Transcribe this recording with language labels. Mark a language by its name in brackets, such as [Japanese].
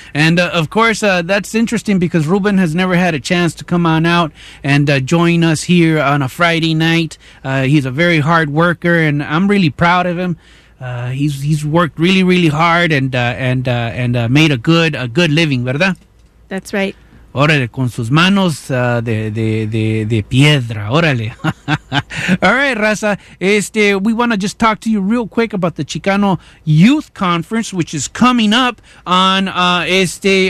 [English] And of course, that's interesting because Ruben has never had a chance to come on out and join us here on a Friday night. He's a very hard worker, and I'm really proud of him. He's worked really, really hard and made a good living, [Spanish] ¿verdad? [English] That's right. [Spanish] Órale, con sus manos de piedra, órale. [English] All right, raza. We want to just talk to you real quick about the Chicano Youth Conference, which is coming up on April